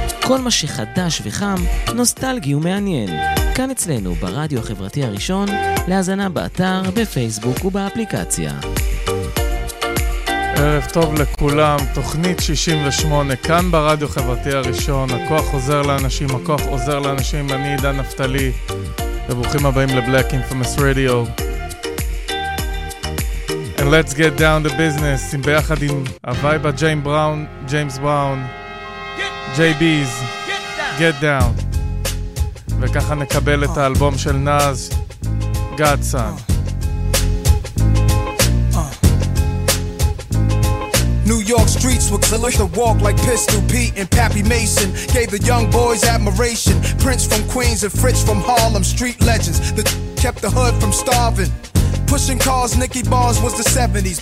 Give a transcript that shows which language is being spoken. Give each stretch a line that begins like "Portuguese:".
Hebrew: כל מה שחדש וחם, נוסטלגי ומעניין. כאן אצלנו ברדיו החברתי הראשון, להזנה באתר, בפייסבוק ובאפליקציה. ערב טוב לכולם, תוכנית 68, כאן ברדיו החברתי הראשון, הכוח עוזר לאנשים, הכוח עוזר לאנשים, אני עידן נפתלי, וברוכים הבאים לBlack in Famous Radio.
English: And let's get down to business,
Hebrew: עם ביחד עם הווייבה ג'יימס בראון, ג'יימס בראון, JB's,
English: get down.
Hebrew: וככה נקבל את האלבום של נאז, גאדסן.
English: New York streets were killers to walk like Pistol Pete and Pappy Mason. Gave the young boys admiration. Prince from Queens and Fritz from Harlem. Street legends that kept the hood from starving. Pushing cars, Nicky Barnes was the 70s.